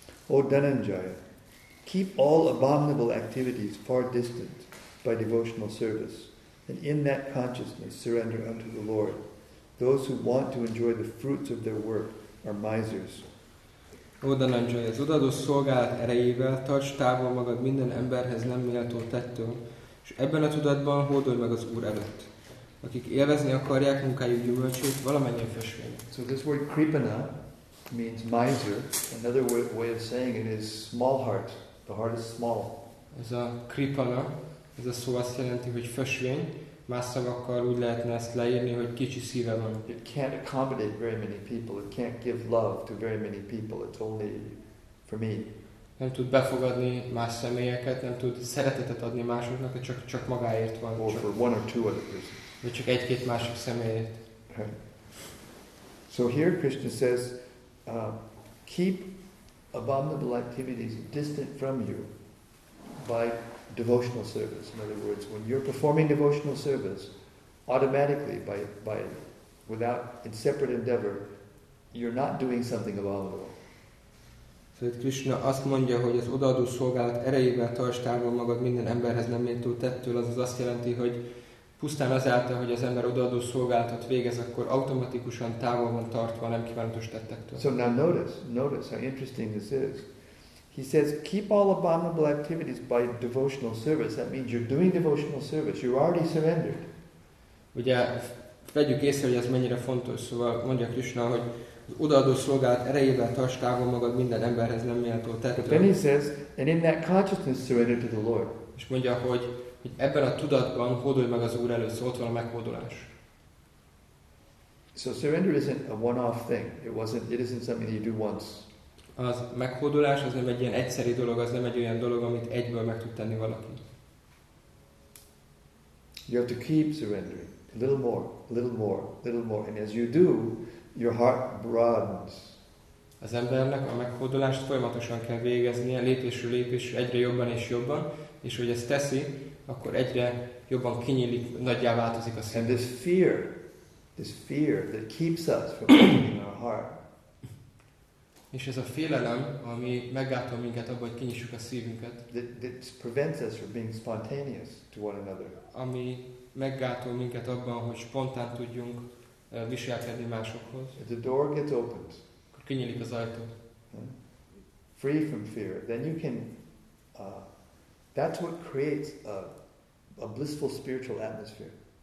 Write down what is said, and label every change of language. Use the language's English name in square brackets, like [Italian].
[English] O dhananjaya, keep all abominable activities far distant by devotional service, and in that consciousness surrender unto the Lord. Those who want to enjoy the fruits of their work are misers. [Hungarian] Ó Dhananjaya, az odaadó szolgálat erejével tarts távol magad minden emberhez nem méltó tettől, és ebben a tudatban hódolj meg az Úr előtt, akik élvezni akarják munkájuk gyümölcsét, valamennyien fösvényt. [English] So this word kripana means miser. Another way of saying it is small heart. The heart is small. [Hungarian] Ez a kripana, ez a szó azt jelenti, hogy fösvény. Más szavakkal úgy lehetne ezt leírni, hogy kicsi szíve van. [English] It can't accommodate very many people. It can't give love to very many people. It's only for me. [Hungarian] Nem tud befogadni más személyeket, nem tud szeretetet adni másoknak, csak magáért van. [English] Or [Hungarian] csak, [English] for one or two other persons. [Hungarian] Vagy csak egy-két másik személyért. [English] So here Krishna says, keep abominable activities distant from you by devotional service. In other words, when you're performing devotional service, automatically, by without in separate endeavor, you're not doing something abominable. [Hungarian] So Krishna azt mondja, hogy az odaadó szolgálat erejével tarts távol magad minden emberhez nem méltó tettől, az azt jelenti, hogy pusztán azáltal, hogy az ember odaadó szolgálatot végez, akkor automatikusan távol van tartva a nem kívánatos tettektől. [English] So now notice how interesting this is. He says, keep all abominable activities by devotional service. That means you're doing devotional service. You're already surrendered. [Hungarian] Ugye, vegyük észre, hogy ez mennyire fontos. Szóval mondja Krishna, hogy az odaadó szolgálat erejével tarts távol magad minden emberhez nem méltó tettől. [English] But then he says, and in that consciousness surrender to the Lord. [Hungarian] És mondja, hogy ebben a tudatban hódolj meg az Úr előtt. Szóval ott van a meghódolás. [English] So surrender isn't a one-off thing. It isn't something that you do once. [Hungarian] Az meghódolás az nem egy ilyen egyszeri dolog, az nem egy olyan dolog, amit egyből meg tud tenni valaki. [English] You have to keep surrendering. A little more, a little more, a little more. And as you do, your heart broadens. [Hungarian] Az embernek a meghódolást folyamatosan kell végeznie, lépésről lépésre, egyre jobban és jobban. És hogy ezt teszi, akkor egyre jobban kinyílik, nagyjá változik a szív. [English] And this fear that keeps us from opening our heart. [Hungarian] És ez a félelem, ami meggátol minket abban, hogy kinyissuk a szívünket. [English] That prevents us from being spontaneous to one another. [Hungarian] Ami meggátol minket abban, hogy spontán tudjunk viselkedni másokhoz. [English] If the door gets opened, [Hungarian] akkor kinyílik az ajtó. [English] Free from fear, then you can. That's what creates a blissful spiritual atmosphere.